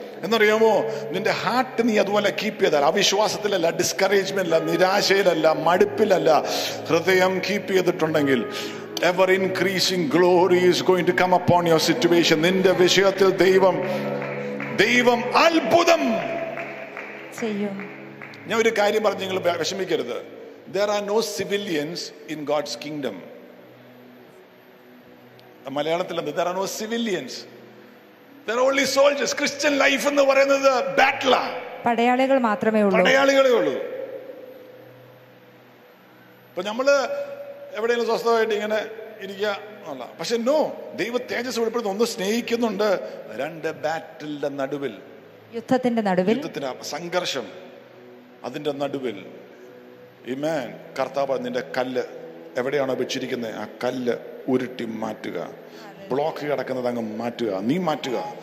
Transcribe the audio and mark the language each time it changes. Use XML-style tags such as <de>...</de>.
<ml>എന്നറിയാമോ, നിന്റെ ഹാർട്ട് നീ അതുപോലെ കീപ്പ് ചെയ്താൽ, അവിശ്വാസത്തിലല്ല, ഡിസ്കറേജ്മെന്റല്ല, നിരാശയിലല്ല, മടുപ്പിലല്ല, ഹൃദയം കീപ്പ് ചെയ്തിട്ടുണ്ടെങ്കിൽ</ml> <en>ever increasing glory is going to come upon your situation.</en> <ml>നിന്റെ വിഷയത്തിൽ ദൈവം അത്ഭുതം ചെയ്യും. ഞാൻ ഒരു കാര്യം പറഞ്ഞു, നിങ്ങൾ വിഷമിക്കരുത്.</ml> <en>There are no civilians in God's kingdom.</en> <ml>മലയാളത്തിൽ എന്ത്?</ml> <en>There are no civilians. There are only soldiers.</en> <ml>Christian life എന്ന് പറയുന്നത് battle. പടയാളികൾ മാത്രമേ ഉള്ളൂ. അപ്പൊ നമ്മള് എവിടെയെങ്കിലും സ്വസ്ഥമായിട്ട് ഇങ്ങനെ ഇരിക്കുക, പക്ഷെ നോ, ദൈവ തേജസ് വെളിപ്പെടുത്തുന്ന ഒന്ന് സ്നേഹിക്കുന്നുണ്ട്. രണ്ട് ബാറ്റിലിന്റെ നടുവിൽ, യുദ്ധത്തിന്റെ നടുവിൽ, യുദ്ധത്തിന്റെ സംഘർഷം, അതിന്റെ നടുവിൽ ഇമാൻ കർത്താവ് നിന്റെ കല്ല് എവിടെയാണോ വെച്ചിരിക്കുന്നത് ആ കല്ല് ഉരുട്ടി മാറ്റുക, ബ്ലോക്ക് കിടക്കുന്നത് അങ്ങ് മാറ്റുക, നീ മാറ്റുക.</ml>